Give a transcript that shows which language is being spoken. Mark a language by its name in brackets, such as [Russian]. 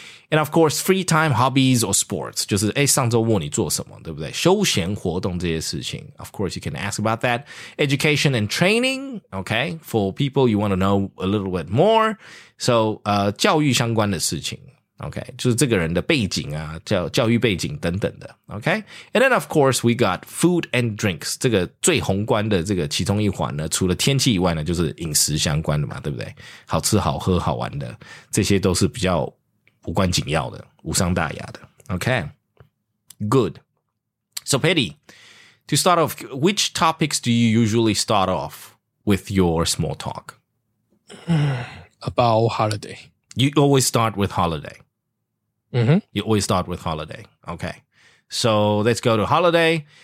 [English] And of course, free time, hobbies, or sports. [Chinese] 就是欸上周末你做什么对不对休闲活动这些事情。 [English] Of course, you can ask about that. Education and training, okay? For people you want to know a little bit more. [Chinese] So, 教育相关的事情 okay? 就是这个人的背景啊 教育背景等等的 okay? [English] And then of course, we got food and drinks. [Chinese] 这个最宏观的这个其中一环呢除了天气以外呢就是饮食相关的嘛对不对好吃好喝好玩的这些都是比较无关紧要的无伤大雅的 [English] Okay, good. So, Petty, to start off, which topics do you usually start off with your small talk? About holiday. You always start with holiday. Mm-hmm. You always start with holiday. Okay. So, let's go to holiday.